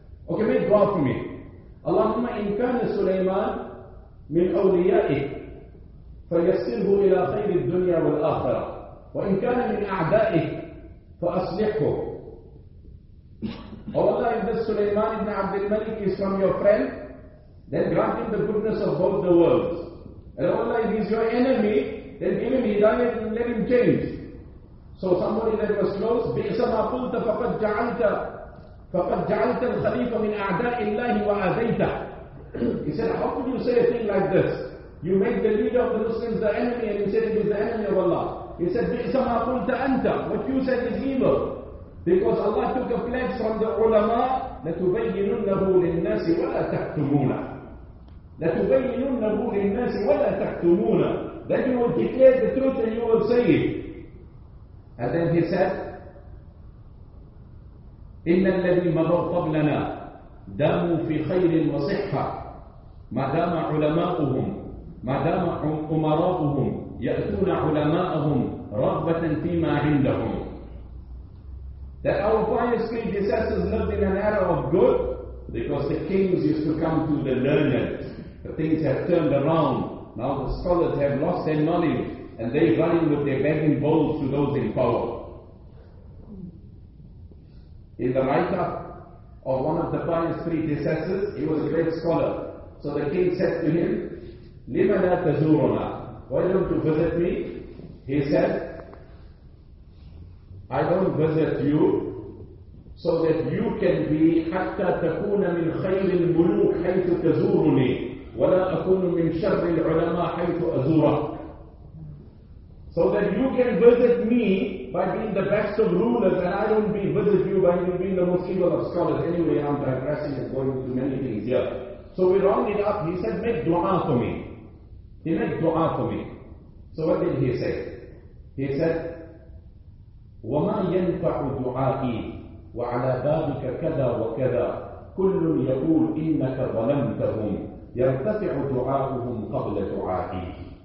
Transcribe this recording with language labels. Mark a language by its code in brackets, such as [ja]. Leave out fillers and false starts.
[en] Okay, make dua for me. [ar] اللَّهُمَّ إِنْ كَانَ سُلَيْمَانَ مِنْ أَوْلِيَائِهِ فَيَسِّرْهُ إِلَى خَيْرِ الدُّنْيَا وَالْآخَرَةِ وَإِنْ كَانَ مِنْ أَعْدَائِهِ فَأَصْلِحْهُ. [en] Oh Allah, if this Sulaiman ibn Abdul Malik is from your friend, then grant him the goodness of both the worlds. And oh Allah, if he's your enemy, then give him hidayah and let him change. So somebody that was close, [ar] بِئْسَ مَا قُلْتَ فَقَدْ جَعَلْتَ الْخَلِيفَ مِنْ أَعْدَاءِ اللَّهِ وَعَذَيْتَ. [en] He said, how could you say a thing like this? You make the leader of the Muslims the enemy and you said it is the enemy of Allah. He said, [ar] بِئْسَ مَا قُلْتَ أَنْتَ. [en] What you said is evil. Because Allah took a pledge from the ulama, [ar] لَتُبَيِّنُنَّهُ لِلنَّاسِ وَلَا تَكْتُمُونَ. لَتُبَيِّنُنَّهُ لِلنَّاسِ وَلَا تَكْتُمُونَ. [en] Then you will declare the truth and you will say it. And then he said, [ar] إِنَّ الَّذِي مَضَوْ قَبْلَنَا دَامُوا فِي خَيْرٍ وَصِحَّةٍ مَدَامَ عُلَمَاؤُهُمْ مَدَامَ أُمَرَاؤُهُمْ يَأْتُونَ عُلَمَاؤُهُمْ رَغْبَةً فِي مَا عِنْدَهُمْ. [en] That our pious predecessors lived in an era of good because the kings used to come to the learned. The things have turned around. Now the scholars have lost their knowledge and they run with their begging bowls to those in power. In the write-up of one of the pious predecessors, he was a great scholar. So the king said to him, [ar] لِمَ لَا تَزُورُنَا. [en] Why don't you visit me? He said, I don't visit you so that you can be [ar] حتى تكون من خير الملوك حيث تزورني ولا أكون من شر العلماء حيث أزورك. [en] So that you can visit me by being the best of rulers and I don't be visit you by you being the most evil of scholars. Anyway, I'm digressing and going into many things here. So we round it up. He said, make dua for me. He made dua for me. So what did he say? He said, [ar] وَمَا يَنْفَعُ دُعَائِي وَعَلَى ذَلِكَ كَذَا وَكَذَا كُلٌّ يَقُولُ إِنَّكَ ظَلَمْتَهُمْ يَرْتَفِعُ دُعَاؤُهُمْ قَبْلَ دُعَائِي.